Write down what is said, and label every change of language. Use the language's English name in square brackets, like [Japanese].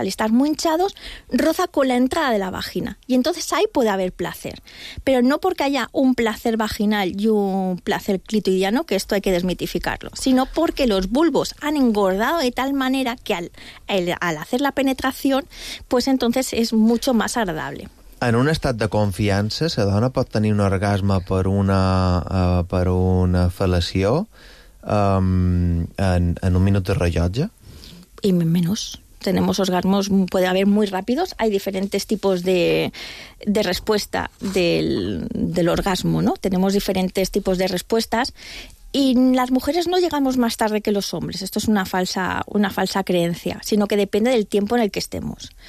[Spanish] Al estar muy hinchados, roza con la entrada de la vagina. Y entonces ahí puede haber placer. Pero no porque haya un placer vaginal y un placer clitoridiano, que esto hay que desmitificarlo, sino porque los bulbos han engordado de tal manera que al hacer la penetración, pues entonces es mucho más agradable. [Catalan] En un estat de confiança, la dona pot tenir un orgasme per una fel·lació en un minut de rellotge? [Spanish] Y menos. Tenemos orgasmos, puede haber muy rápidos. Hay diferentes tipos de respuesta del orgasmo, ¿no? Tenemos diferentes tipos de respuestas. Y las mujeres no llegamos más tarde que los hombres. Esto es una falsa creencia, sino que depende del tiempo en el que estemos.